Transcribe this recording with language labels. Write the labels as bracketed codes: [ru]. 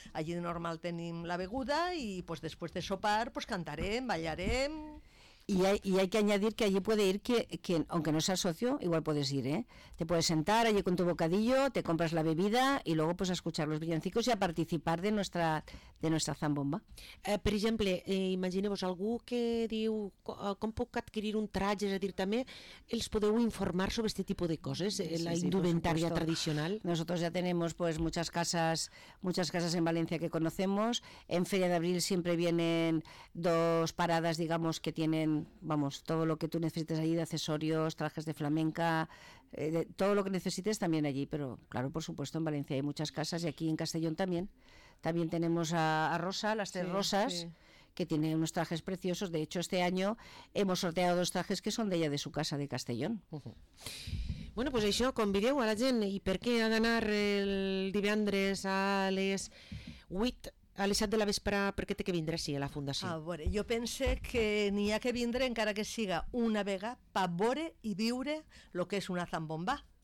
[ca] Allí de normal tenim la beguda y [es] pues después de sopar pues [ca] cantarem, ballarem. [es] Y hay que añadir que allí puede ir que aunque no seas socio, igual puedes ir, ¿eh? Te puedes sentar allí con tu bocadillo, te compras la bebida y luego pues a escuchar los villancicos y a participar de nuestra zambomba. [ca] Per exemple, imagineu-vos algú que diu com puc adquirir un traje, és a dir, també els podeu informar sobre este tipus de coses, sí, la sí, indumentària tradicional. [es] Nosotros ya tenemos pues muchas casas en València que conocemos. En Feria d'Abril sempre vienen dos parades, digamos, que tienen vamos, todo lo que tú necesites allí de accesorios, trajes de flamenca, de todo lo que necesites también allí, pero claro, por supuesto, en Valencia hay muchas casas y aquí en Castellón también tenemos a Rosa, las tres sí, Rosas, sí. Que tiene unos trajes preciosos. De hecho, este año hemos sorteado dos trajes que son de ella, de su casa de Castellón. [ca] Bueno, pues això, convideu a la gent i per què ha d'anar el divendres a les 8 a les 7 de la vespre, per què té que vindre així a la Fundació? A veure, jo pense que n'hi ha que vindre, encara que siga una vega, per veure i viure el que és una zambomba.